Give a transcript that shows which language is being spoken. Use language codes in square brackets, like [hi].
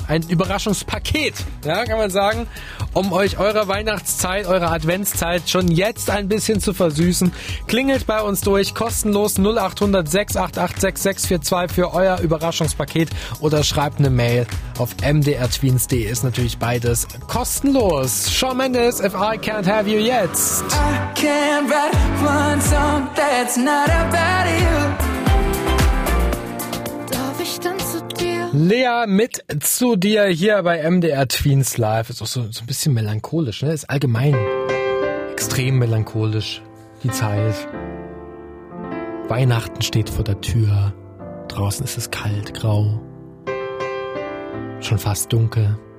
[de] Ein Überraschungspaket, ja, kann man sagen, um euch eure Weihnachtszeit, eure Adventszeit schon jetzt ein bisschen zu versüßen. Klingelt bei uns durch, kostenlos 0800 688 6642 für euer Überraschungspaket oder schreibt eine Mail auf mdrtweens.de. Ist natürlich beides kostenlos. Shawn Mendes, If I Can't Have You Jetzt. [en] I can't write one song that's not about you. [de] Darf ich dann zu dir? Lea mit zu dir hier bei MDR Twins Live. Ist auch so ein bisschen melancholisch, ne? Ist allgemein extrem melancholisch, die Zeit. Weihnachten steht vor der Tür. Draußen ist es kalt, grau. Schon fast dunkel.